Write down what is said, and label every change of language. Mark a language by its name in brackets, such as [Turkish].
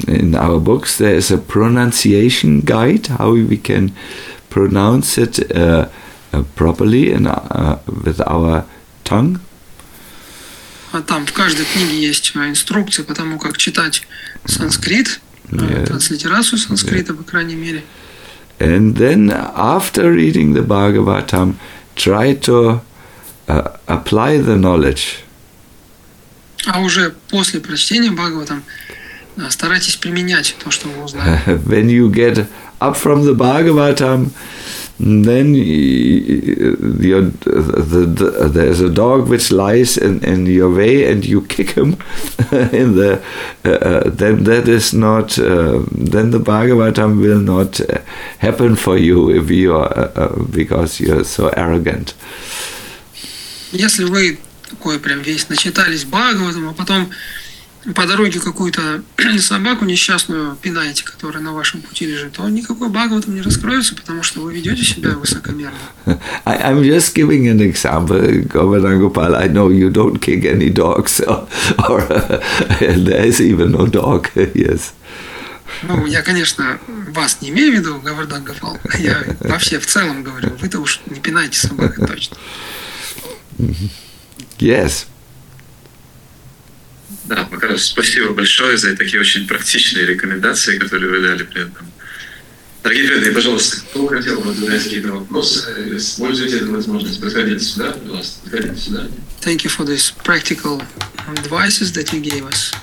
[English] In our books there is a pronunciation guide how we can pronounce it properly in with our tongue. [Russian] А там в каждой книге есть инструкция по тому, как читать санскрит, транслитерацию санскрита, по крайней мере. [English] And then, after reading the Bhagavatam, try to apply the knowledge. [Russian] А уже после прочтения Бхагаватам старайтесь применять то, что вы узнали. [English] When you get up from the Bhagavatam, then there's a dog which lies in your way and you kick him in the then that is not then the Bhagavatam will not happen for you if you are because you're so arrogant. [Russian] Если вы такой прям весь начитались Бхагаватом, а потом по дороге какую-то собаку несчастную пинаете, которая на вашем пути лежит, то никакой Бхагаватам не раскроется, потому что вы ведете себя высокомерно. [English] I'm just giving an example, Govardhan Gopal. I know you don't kick any dogs, or there is even no dog. Yes. [Russian] Ну, я, конечно, вас не имею в виду, Говардан Гопал. Я вообще в целом говорю, вы-то уж не пинаете собак, точно. Yes. Да, Макарович, спасибо большое за такие очень практичные рекомендации, которые вы дали при этом. Дорогие преданные, пожалуйста, кто хотел бы задать какие-то вопросы, используйте эту возможность, подходите сюда, пожалуйста, подходите сюда. [English] Thank you for these practical advices that you gave us.